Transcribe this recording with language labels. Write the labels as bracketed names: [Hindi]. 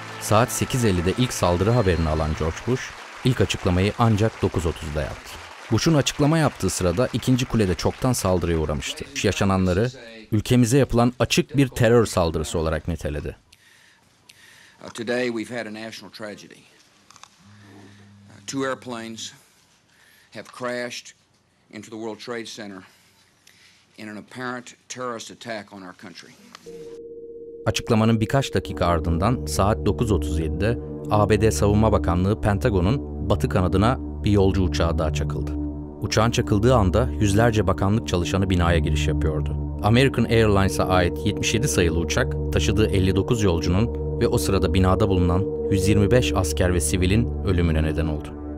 [Turkish] Saat 8.50'de ilk saldırı haberini alan George Bush, İlk açıklamayı ancak 9.30'da yaptı. Bush'un açıklama yaptığı sırada ikinci kulede çoktan saldırıya uğramıştı. Yaşananları ülkemize yapılan açık bir terör saldırısı olarak niteledi. [English] Today we've had a national tragedy. Two airplanes have crashed into the World Trade Center in an apparent terrorist attack on our country. [Turkish] Açıklamanın birkaç dakika ardından saat 9.37'de ABD Savunma Bakanlığı Pentagon'un batı kanadına bir yolcu uçağı daha çakıldı. Uçağın çakıldığı anda yüzlerce bakanlık çalışanı binaya giriş yapıyordu. American Airlines'a ait 77 sayılı uçak taşıdığı 59 yolcunun ve o sırada binada bulunan 125 asker ve sivilin ölümüne neden oldu.